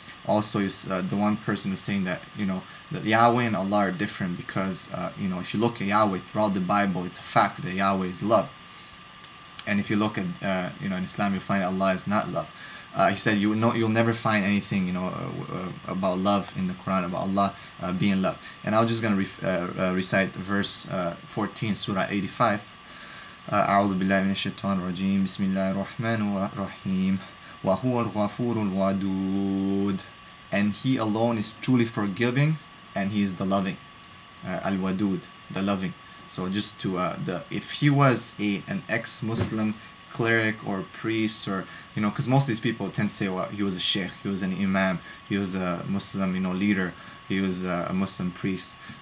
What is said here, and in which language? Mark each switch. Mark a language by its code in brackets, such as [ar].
[en] Also, the one person is saying that, that Yahweh and Allah are different because, if you look at Yahweh throughout the Bible, it's a fact that Yahweh is love. And if you look at, in Islam, you'll find Allah is not love. He said, you'll never find anything, about love in the Quran, about Allah being love. And I'm just going to recite verse 14, Surah 85. [ar] أعوذ بالله من الشيطان الرجيم بسم الله الرحمن الرحيم وَهُوَ الْغَفُورُ الْوَدُودُ. [en] And He alone is truly forgiving, and He is the loving. Al-Wadud, the loving. So just to, if he was an ex-Muslim cleric or priest, or, you know, because most of these people tend to say, well, he was a sheikh, he was an imam, he was a Muslim, you know, leader, he was a Muslim priest.